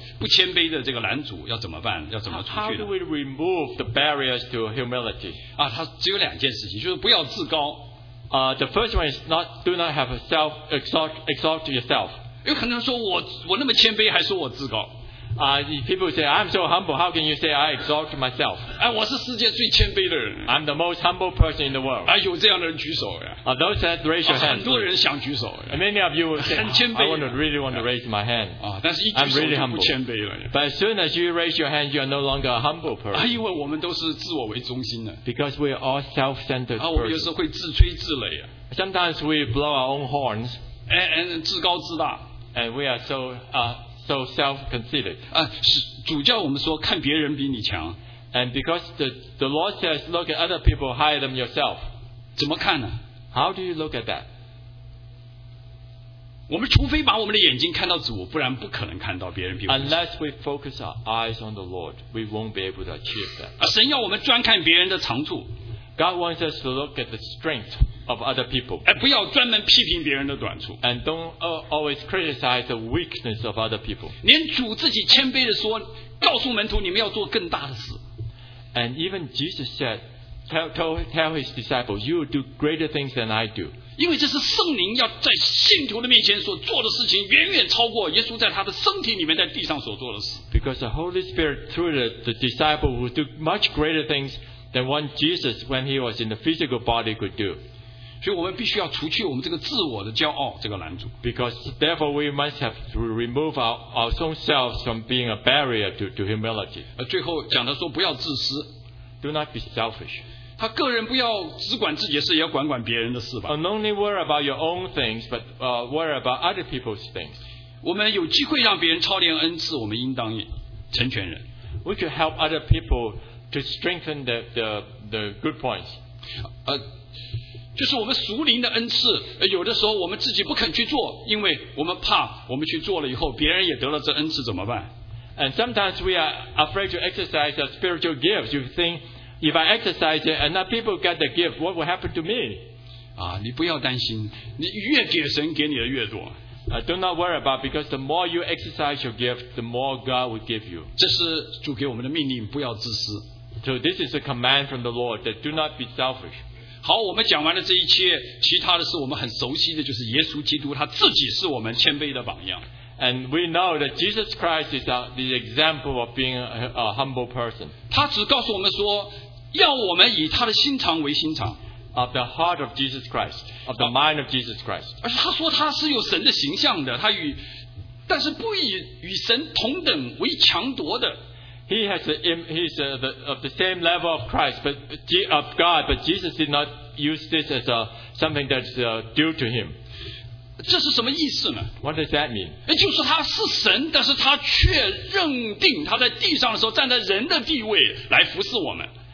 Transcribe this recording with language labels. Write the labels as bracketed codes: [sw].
[zh] 我们很快讲一下，除去这个不谦卑的这个拦阻，要怎么办？要怎么除去？ [en] How do we remove the barriers to humility? [zh] 它只有两件事情，就是不要自高。 [en] The first one is do not have a self exalt yourself. [zh] 有可能说我那么谦卑，还说我自高。 [en] People say, I'm so humble, how can you say I exalt myself? [zh] 我是世界最谦卑的人。 [en] I'm the most humble person in the world. [zh] 有这样的人举手。 [en] Those that raise your hands. [zh] 很多人想举手。 [en] Many of you will say, [zh] 很谦卑。 [en] I really want to raise my hand. [zh] 但是一举手就不谦卑了。 [en] I'm really humble. But as soon as you raise your hand, you are no longer a humble person. [zh] 因为我们都是自我为中心的。 [en] Because we are all self-centered persons. [zh] 我们有时候会自吹自擂。 [en] Sometimes we blow our own horns. [zh] And 自高自大。 [en] And we are so self-conceited. [zh] 主教我们说看别人比你强。 [en] And because the Lord says look at other people higher than yourself. [zh] 怎么看呢? [en] How do you look at that? [zh] 我们除非把我们的眼睛看到主，不然不可能看到别人比我们。 [en] Unless we focus our eyes on the Lord, we won't be able to achieve that. [zh] 神要我们专看别人的长处。 [en] God wants us to look at the strength of other people. [zh] 不要专门批评别人的短处。 [en] And don't always criticize the weakness of other people. [zh] 连主自己谦卑地说，告诉门徒你们要做更大的事。 [en] And even Jesus said, tell his disciples, you will do greater things than I do. [zh] 因为这是圣灵要在信徒的面前所做的事情，远远超过耶稣在他的身体里面在地上所做的事。 [en] Because the Holy Spirit through the disciple will do much greater things than what Jesus when he was in the physical body could do. [zh] 所以我们必须要除去我们这个自我的骄傲，这个拦阻。 [en] Because therefore we must have to remove our own selves from being a barrier to humility. [zh] 最后讲的说不要自私。 [en] Do not be selfish. [zh] 他个人不要只管自己的事，也要管管别人的事吧。 [en] Not only worry about your own things, but worry about other people's things. [zh] 我们有机会让别人操练恩赐，我们应当成全人。 [en] We could help other people to strengthen the good points. [zh] 就是我们属灵的恩赐，有的时候我们自己不肯去做，因为我们怕我们去做了以后，别人也得了这恩赐怎么办？ [en] And sometimes we are afraid to exercise our spiritual gifts. You think, if I exercise it and not people get the gift, what will happen to me? [zh] 你不要担心，你越给神给你的越多。 [en] Do not worry about because the more you exercise your gift, the more God will give you. [zh] 这是主给我们的命令，不要自私。 [en] So this is a command from the Lord that do not be selfish. [zh] 好，我们讲完了这一切，其他的是我们很熟悉的，就是耶稣基督他自己是我们谦卑的榜样。 [en] And we know that Jesus Christ is the example of being a humble person. [zh] 他只告诉我们说，要我们以他的心肠为心肠。 [en] Of the heart of Jesus Christ, of the mind of Jesus Christ. [zh] 而他说他是有神的形象的，他与，但是不以与神同等为强夺的。 [en] He has of the same level of Christ, but of God, but Jesus did not use this as something that's due to him. [zh] 这是什么意思呢？ [en] What does that mean? [zh] 就是他是神，但是他却认定他在地上的时候站在人的地位来服侍我们。